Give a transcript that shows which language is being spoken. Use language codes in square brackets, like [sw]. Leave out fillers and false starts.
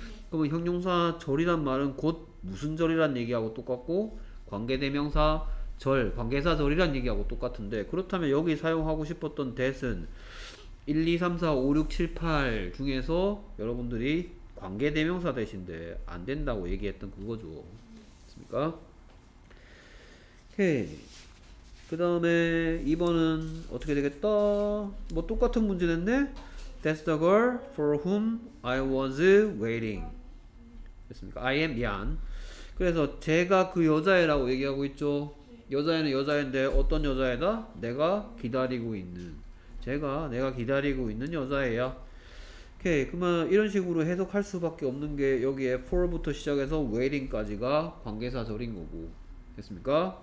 [ko] 그러면 형용사 절이란 말은 곧 무슨 절이란 얘기하고 똑같고 관계대명사 절 관계사 절이란 얘기하고 똑같은데 그렇다면 여기 사용하고 싶었던 that은 1, 2, 3, 4, 5, 6, 7, 8 중에서 여러분들이 관계대명사 대신데 안 된다고 얘기했던 그거죠. 됐습니까? 오케이. 그 다음에 2번은 어떻게 되겠다? 뭐 똑같은 문제 됐네? [en] That's the girl for whom I was waiting. [ko] 됐습니까? [en] I am [ko] 미안. 그래서 제가 그 여자애라고 얘기하고 있죠. 여자애는 여자애인데 어떤 여자애다? 내가 기다리고 있는. 내가 기다리고 있는 여자애야. 오케이. 그러면 이런 식으로 해석할 수밖에 없는 게 여기에 for부터 시작해서 waiting까지가 관계사절인 거고. 됐습니까?